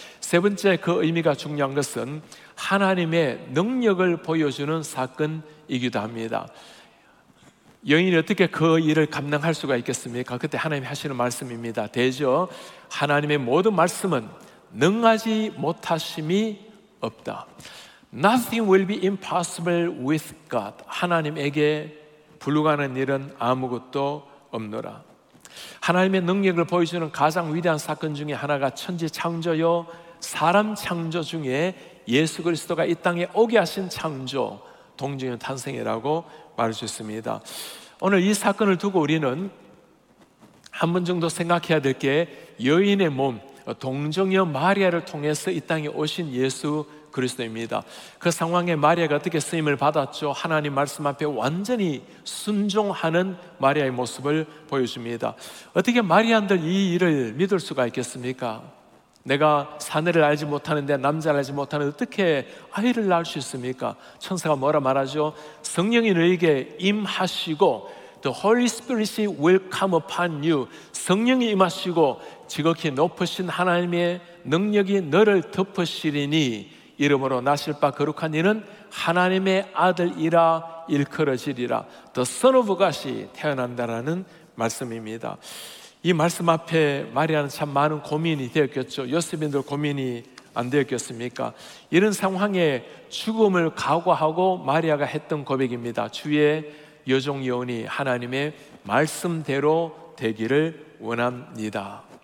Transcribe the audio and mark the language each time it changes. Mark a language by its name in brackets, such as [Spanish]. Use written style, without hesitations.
[Korean] 세 번째 그 의미가 중요한 것은 하나님의 능력을 보여주는 사건이기도 합니다. 여인이 어떻게 그 일을 감당할 수가 있겠습니까? 그때 하나님이 하시는 말씀입니다. 대저 하나님의 모든 말씀은 능하지 못하심이 없다. [English] Nothing will be impossible with God. [Korean] 하나님에게 불가능한 일은 아무것도 없노라. 하나님의 능력을 보여주는 가장 위대한 사건 중에 하나가 천지 창조요 사람 창조 중에 예수 그리스도가 이 땅에 오게 하신 창조, 동정녀 탄생이라고 말할 수 있습니다. 오늘 이 사건을 두고 우리는 한 번 정도 생각해야 될 게 여인의 몸, 동정녀 마리아를 통해서 이 땅에 오신 예수 그리스도입니다. 그 상황에 마리아가 어떻게 쓰임을 받았죠? 하나님 말씀 앞에 완전히 순종하는 마리아의 모습을 보여줍니다. 어떻게 마리아들 이 일을 믿을 수가 있겠습니까? 내가 사내를 알지 못하는데 남자를 알지 못하는데 어떻게 아이를 낳을 수 있습니까? 천사가 뭐라 말하죠? 성령이 너에게 임하시고 [English] The Holy Spirit will come upon you. [Korean] 성령이 임하시고 지극히 높으신 하나님의 능력이 너를 덮으시리니 이름으로 나실 바 거룩한 이는 하나님의 아들이라 일컬어지리라. The Son of God이 태어난다라는 말씀입니다. 이 말씀 앞에 마리아는 참 많은 고민이 되었겠죠. 요셉인들 고민이 안 되었겠습니까? 이런 상황에 죽음을 각오하고 마리아가 했던 고백입니다. 주의 여종 여운이 하나님의 말씀대로 되기를 원합니다.